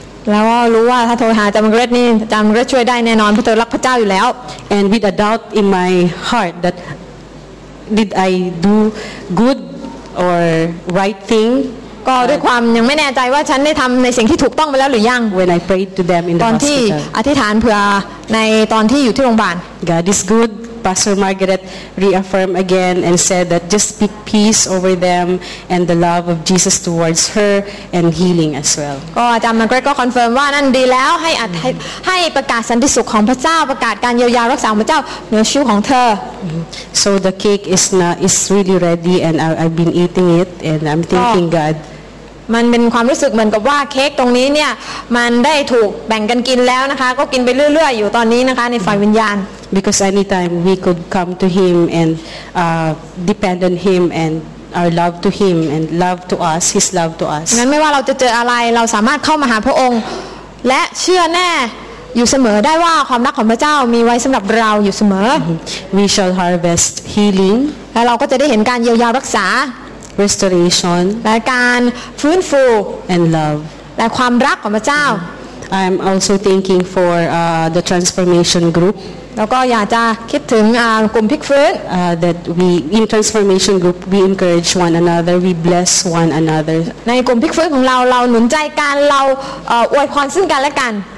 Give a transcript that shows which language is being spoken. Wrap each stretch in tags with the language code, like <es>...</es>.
<th>แล้วรู้ว่าถ้าโทรหาจามเกรตนี่จามเกรตช่วยได้แน่นอนเพราะเธอรักพระเจ้าอยู่แล้ว</th> <en>And with a doubt in my heart that did I do good or right thing?</en> <th>ก็ด้วยความยังไม่แน่ใจว่าฉันได้ทำในสิ่งที่ถูกต้องไปแล้วหรือยัง</th> <en>When I prayed to them in the hospital.</en> <th>ตอนที่อธิษฐานเพื่อในตอนที่อยู่ที่โรงพยาบาล</th> <en>God is good Pastor Margaret reaffirmed again and said that just speak peace over them and the love of Jesus towards her and healing as well</en> <th>ก็อาจารย์มาร์กาเร็ตก็คอนเฟิร์มว่านั่นดีแล้วให้ประกาศสันติสุขของพระเจ้าประกาศการเยียวยารักษาของพระเจ้าเหนือชีวิตของเธ</th> <en>อ So the cake is really ready and I've been eating it and I'm thanking God</en> <th>มันเป็นความรู้สึกเหมือนกับว่าเค้กตรงนี้เนี่ยมันได้ถูกแบ่งกันกินแล้วนะคะก็กินไปเรื่อยๆอยู่ตอนนี้นะคะในฝ่ายวิญญาณ</th> <en>because anytime we could come to him and depend on him and our love to him and love to us his love to us</en> <th>งั้นไม่ว่าเราจะเจออะไรเราสามารถเข้ามาหาพระองค์และเชื่อแน่อยู่เสมอได้ว่าความรักของพระเจ้ามีไว้สำหรับเราอยู่เสม</th> <en>อ we shall harvest healing</en> <th>แล้วเราก็จะได้เห็นการเยียวยารักษา</th> <en>restoration</en> <th>และการฟื้นฟู</th> <en>and love</en> <th>และความรักของพระเจ้า</th> <en>I'm also thinking for the transformation group</en> <th>แล้วก็อยากจะคิดถึงกลุ่มพลิกฟื้น</th> <en>that we in transformation group we encourage one another we bless one another</en> <th>ในกลุ่มพลิกฟื้นของเราหนุนใจกันเราอวยพรซึ่งกันและกัน</th>